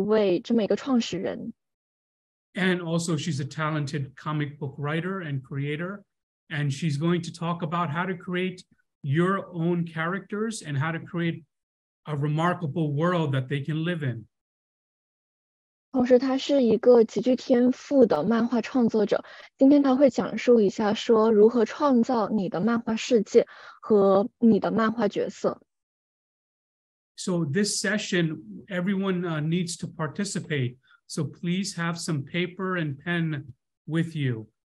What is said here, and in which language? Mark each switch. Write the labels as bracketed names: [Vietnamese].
[Chinese] 今天我们邀请到REGINE来做我们的一个宣讲嘉宾。她作为漫画家的同时，她还是一本专注于女性和有色人种女性漫画创作者杂志的一位这么一个创始人。And [English] also she's a talented comic book writer and creator, and she's going to talk about how to create your own characters and how to create a remarkable world that they can live in. [Chinese] 同时他是一个极具天赋的漫画创作者。今天他会讲述一下说如何创造你的漫画世界和你的漫画角色。So [English] this session, everyone needs to participate. So please have some paper and pen with you.